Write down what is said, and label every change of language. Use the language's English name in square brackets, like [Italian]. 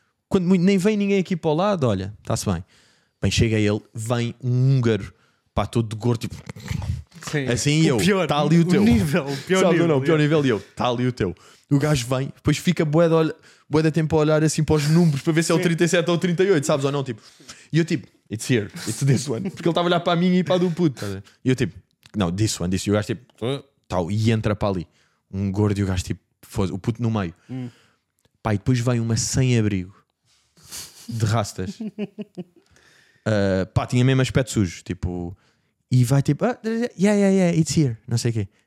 [Portuguese] Quando nem vem ninguém aqui para o lado, olha, está-se bem. Bem, chega ele, vem um húngaro. Pá, todo de gordo, tipo... Sim. Assim, e eu, está ali o teu. O pior nível. E eu, está ali o teu. O gajo vem, depois fica bué de tempo a olhar assim para os números para ver se é o 37 ou o 38, sabes ou não? Tipo. E eu, tipo, [English] it's here, it's this one. [Portuguese] Porque ele estava a olhar para mim e para a do puto. E eu, tipo, não, [English] this one, [Portuguese] disse. E o gajo, tipo, tal, e entra para ali. Um gordo e o gajo, tipo, o puto no meio. Pá, e depois vem uma sem-abrigo de rastas. Pá, tinha mesmo aspecto sujo, tipo... E vai tipo, [English] ah, yeah, it's here, [Portuguese] não sei o quê.